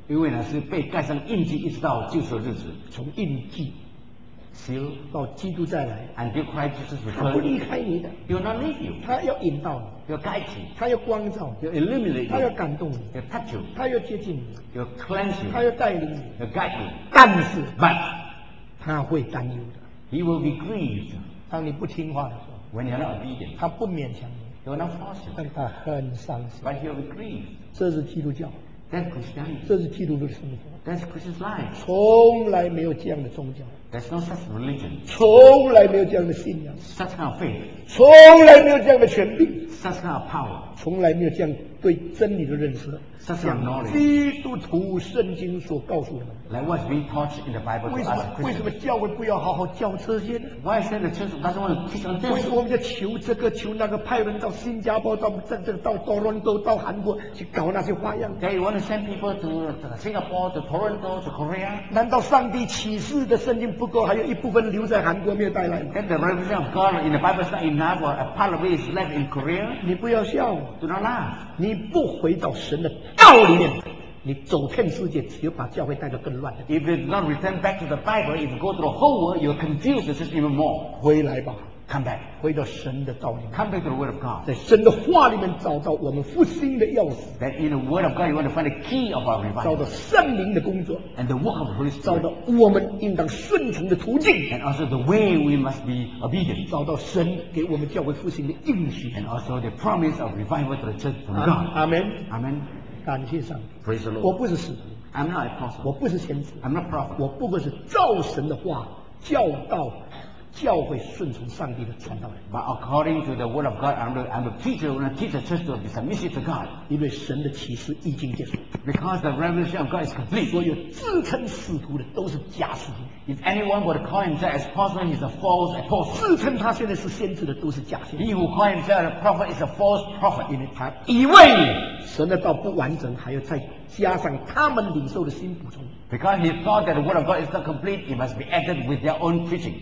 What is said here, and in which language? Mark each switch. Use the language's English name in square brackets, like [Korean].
[Chinese] 因为呢是被盖上印记，一直到救赎日子。从印记。 [English] Seal, [Chinese] 到基督再来 [English] until Christ Jesus returns, [Chinese] 他不离开你的 [English] He will not leave you, [Chinese] 他要引导你 [English] He will guide you, [Chinese] 他要光照你 [English] He will illuminate you, [Chinese] 他要感动你 [English] He will touch you, [Chinese] 他要接近你 [English] He will cleanse you, [Chinese] 他要带领你 [English] He will guide you, [Chinese] 但是 [English] But, [Chinese] 他会担忧的 [English] He will be grieved, [Chinese] 当你不听话的时候 [English] When you are not obedient, [Chinese] 他不勉强你 [English] He will not force you, [Chinese] 但他很伤心 [English] But he will be grieved, [Chinese] 这是基督教 [English] That's Christianity. [Chinese] 这是基督的生活。 [English] That's Christian life. [Chinese] 从来没有这样的宗教。 [English] That's not such religion. [Chinese] 从来没有这样的信仰。 [English] Such kind of faith. [Chinese] 从来没有这样的权柄。 [English] Such kind of power. [Chinese] 从来没有这样对真理的认识。 [English] Such kind of knowledge. [Chinese] 基督徒圣经所告诉我们。 [English] Like what's being taught in the Bible to us Christians. [Chinese] 为什么教会不要好好教这些呢 [English] ？Why is the church doesn't want to teach on this? [Chinese] 为什么我们要求这个求那个派人到新加坡到这个到多伦多到韩国去搞那些花样 [English] ？They want to send people to Singapore, to Toronto, to Korea. [Chinese] 难道上帝启示的圣经不够，还有一部分留在韩国没有带来 [English] ？And the revelation of God in the Bible is not enough, or a part of it is left in Korea. [Chinese] 你不要笑 [English] ，Do not laugh. [Chinese] 你不回到神的道里面。你走遍世界，只有把教会带到更乱的。 [English] If you not return back to the Bible, if you go to the whole world, you'll confuse the system even more. [Chinese] 回来吧 [English] ，come back， [Chinese] 回到神的道里面。 [English] Come back to the Word of God， [Chinese] 在神的话里面找到我们复兴的钥匙。 [English] That in the Word of God, you want to find the key of our revival. [Chinese] 找到圣灵的工作 [English] ，and the work of the Holy Spirit. [Chinese] 找到我们应当顺从的途径 [English] ，and also the way we must be obedient. [Chinese] 找到神给我们教会复兴的应许 [English] ，and also the promise of revival to the church from God. Amen. Amen. [Chinese] 感谢上帝 [English] Praise the Lord. [Chinese] 我不是使徒 [English] I'm not a apostle. [Chinese] 我不是先知 [English] I'm not a prophet. [Chinese] 我不过是照神的话教导教会顺从上帝的传道人 [English] But according to the word of God, I'm the teacher who will teach the church to be submissive to God. [Chinese] 因为神的启示已经结束 [English] Because the revelation of God is complete. [Chinese] 所有自称使徒的都是假使徒 [English] If anyone would call himself as apostle, he's a false apostle. [Chinese] 自称他现在是先知的都是假先知 [English] He who call himself a prophet is a false prophet. [Chinese] 因为他以为神的道不完整，还要再加上他们领受的新补充。 Because he thought that the word of God is not complete, it must be added with their own preaching.